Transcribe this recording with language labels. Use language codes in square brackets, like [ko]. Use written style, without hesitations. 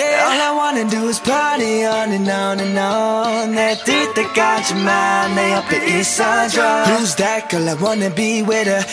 [en] All I wanna do is party on and on and on. [ko] 내 뜰 때까지만 내 옆에 있어줘. [en] Who's that girl? I wanna be with her.